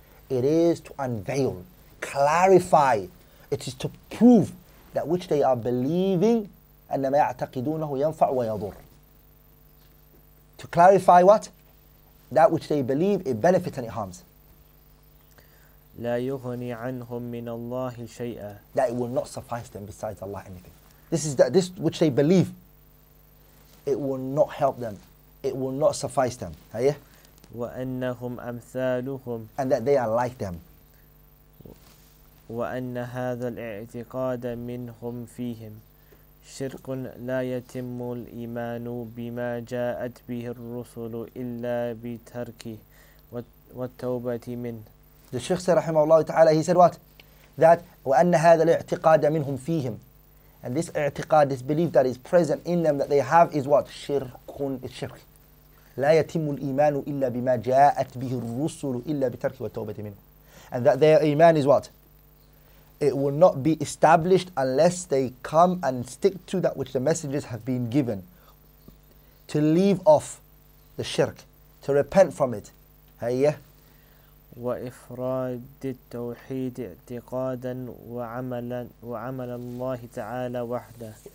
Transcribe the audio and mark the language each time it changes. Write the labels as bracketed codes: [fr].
[en] It is to unveil, clarify. It is to prove that which they are believing [ar] أَنَّ مَا يَعْتَقِدُونَهُ يَنْفَعُ وَيَضُرُّ [en] To clarify what? That which they believe, it benefits and it harms. [ar] لا يغني عنهم من الله شيئا. [en] That it will not suffice them besides Allah anything. This which they believe, it will not help them. It will not suffice them. Hey? [ar] وأنهم أمثالهم. [en] And that they are like them. [ar] وأن هذا الاعتقاد منهم فيهم. شرك لا يتم الإيمان بما جاءت به الرسل إلا بتركه والتوبة منه. [en] The Sheikh said, [ar] رحمه الله تعالى, [en] he said what? That [ar] وأن هذا الاعتقاد منهم فيهم. [en] And this اعتقاد, this belief that is present in them that they have is what? شرك. It's shirk. [ar] لا يتم الإيمان إلا بما جاءت به الرسل إلا بتركه والتوبة منه. [en] And that their iman is what? It will not be established unless they come and stick to that which the messengers have been given. To leave off the shirk, to repent from it. Hayya. [ar] وَإِفْرَادِ التَّوْحِيدِ اعْتِقَادًا وَعَمَلًا اللَّهِ تَعَالَى وَحْدَهُ